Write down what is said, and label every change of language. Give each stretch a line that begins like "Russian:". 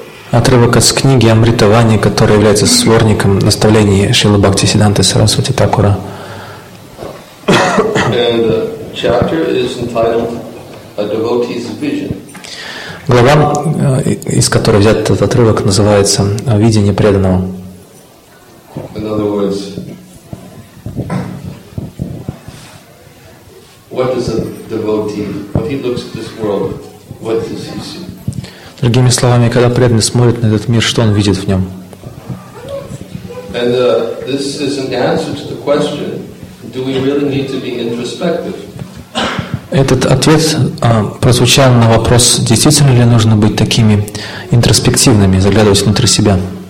Russian: Отрывок из книги Амрита Вани, который является сборником наставлений Шрилы Бхакти Сиддханты Сарасвати Такура.
English: Chapter is entitled "A Devotee's Vision".
Russian: Глава, из которой взят этот отрывок, называется «Видение преданного».
English: In other words, what does a devotee, when he looks at this world, what does he see?
Russian: Другими словами, когда преданный смотрит на этот мир, что он видит в нем?
English: And this is an answer to the question: do we really need to be introspective?
Russian: Этот ответ прозвучал на вопрос, действительно ли нужно быть такими интроспективными, заглядывать внутрь себя.